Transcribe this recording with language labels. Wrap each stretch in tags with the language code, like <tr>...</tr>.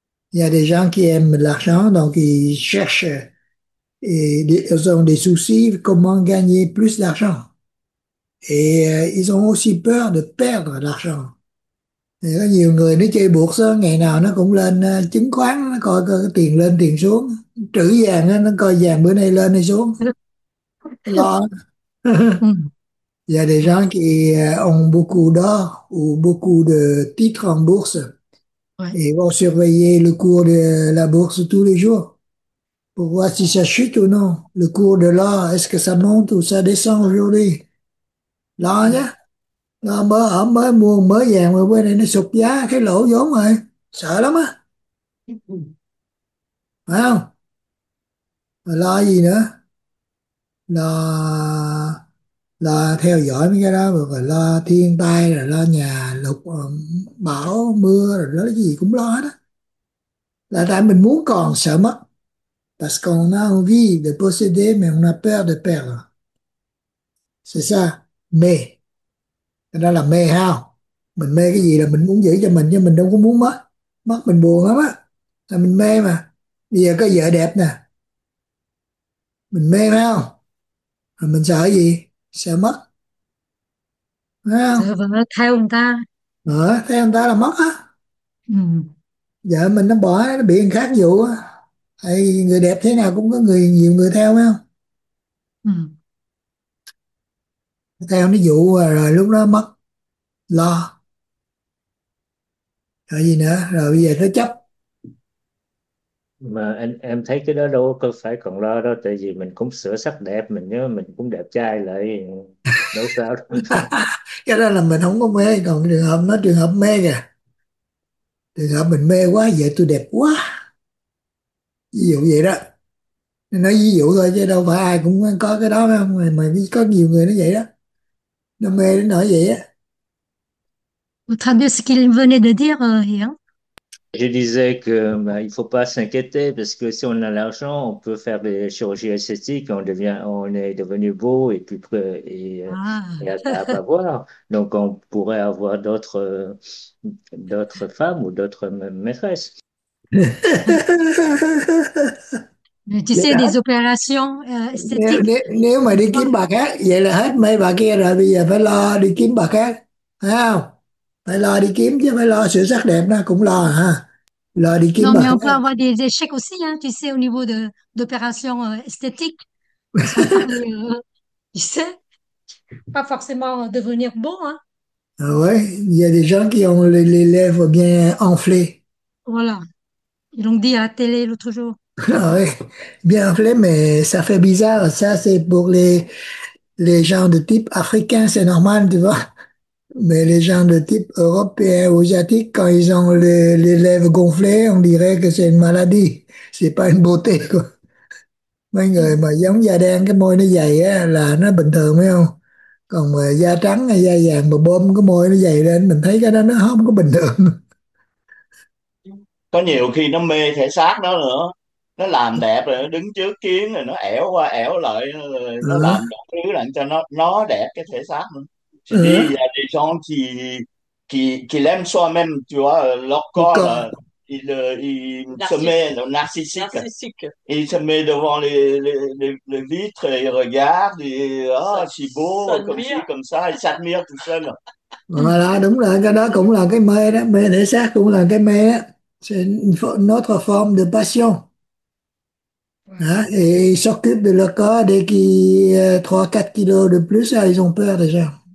<fr>Il y a des gens qui aiment l'argent, donc ils cherchent et ils ont des soucis comment gagner plus d'argent et ils ont aussi peur de perdre l'argent. Il y a</fr> <vi>nhiều người nó chơi bourse, ngày nào nó cũng lên chứng khoán, nó coi coi tiền lên tiền xuống, trữ vàng, nó coi vàng bữa nay lên hay xuống, lo.</vi> <fr>Il y a des gens qui ont beaucoup d'or ou beaucoup de titres en bourse et vont surveiller le cours de la bourse tous les jours pour voir si ça chute ou non. Le cours de l'or, est-ce que ça monte ou ça descend aujourd'hui?</fr> <vi>Lo nhé. Nó mới mua mới vàng mà bữa nay nó sụt giá, cái lỗ vốn rồi, sợ lắm á, phải không? Mà lo gì nữa? Lo theo dõi mấy cái đó, rồi lo thiên tai, rồi lo nhà lụt, bão mưa, rồi lo gì cũng lo đó, là tại mình muốn còn sợ mất.</vi> <fr>Parce qu'on a envie de posséder mais on a peur de perdre, c'est ça, mais</fr> <vi>đó là mê hao. Mình mê cái gì là mình muốn giữ cho mình, nhưng mình đâu có muốn mất, mất mình buồn lắm á, là mình mê mà. Bây giờ có vợ đẹp nè, mình mê hao, rồi mình sợ gì? Sợ mất, phải Sợ vợ theo người ta. không? Ờ, thấy người ta là mất á, vợ mình nó bỏ, nó bị người khác dụ á, hay người đẹp thế nào cũng có người nhiều người theo, phải không? Theo nó dụ rồi lúc đó mất lo rồi gì nữa, rồi bây giờ nó chấp. Mà em thấy cái đó đâu có phải còn lo đâu, tại vì mình cũng sửa sắc đẹp, mình nhớ mình cũng đẹp trai lại đâu sao đâu. Cái đó là mình không có mê, còn trường hợp nó trường hợp mê kìa, trường hợp mình mê quá vậy tôi đẹp quá, ví dụ vậy đó. Nói ví dụ thôi chứ đâu phải ai cũng có cái đó đâu, mà có nhiều người nó vậy đó.</vi> <fr>Non, mais elle n'a rien. Vous traduisez ce qu'il venait de dire, rien. Je disais que, ben, il faut pas s'inquiéter parce que si on a l'argent, on peut faire des chirurgies esthétiques, on est devenu beau et plus près Ah. et agréable à voir. Donc, on pourrait avoir d'autres femmes ou d'autres maîtresses. Mais tu sais, des opérations esthétiques.</fr> <vi>Nếu mà đi kiếm bà khác, vậy là hết mấy bà kia rồi, bây giờ phải lo đi kiếm bà khác, phải không? Phải lo đi kiếm chứ, phải lo sửa sắc đẹp nó cũng lo ha, lo đi kiếm</vi> <fr>Non, mais</fr> <vi>bà</vi> <fr>on peut avoir des échecs aussi, hein, tu sais, au niveau de d'opérations esthétiques,</fr> <vi>khác.</vi> <fr>parce qu'on parle, tu sais, pas forcément devenir beau, hein. Ouais, il y a des gens qui ont les lèvres bien enflées. Voilà. Ils l'ont dit à la télé l'autre jour. Ouais, bien enflé, mais ça fait bizarre. Ça, c'est pour les gens de type africain, c'est normal, tu vois. Mais les gens de type européen ou asiatique, quand ils ont les lèvres gonflées, on dirait que c'est une maladie. C'est pas une beauté, quoi.</fr> <vi>Mấy người mà giống da đen, cái môi nó dày á, là nó bình thường, phải không? Còn mà da trắng hay da vàng mà bơm cái môi nó dày lên, mình thấy cái đó nó không có bình thường. Có nhiều khi nó mê thể xác nó nữa, nó làm đẹp rồi nó đứng trước kiến rồi nó ẻo qua ẻo lại, rồi nó làm cả thứ làm cho nó đẹp cái thể xác nữa. Thì đi là đi xong thì lên xoa men</vi> <fr>tu vois</fr> <vi>Có. có là</vi> <fr>il se Narcissique. met devant les vitres et regarde et ah oh, si beau comme ci comme ça, il s'admire tout seul.</fr> <vi>Voilà, đúng là cái đó cũng là cái mê đó, mê thể xác cũng là cái mê đó.</vi> <fr>C'est une autre forme de passion. Hein? Et ils s'occupent de leur corps dès qu'ils 3-4 kilos de plus, là, ils ont peur déjà.</fr>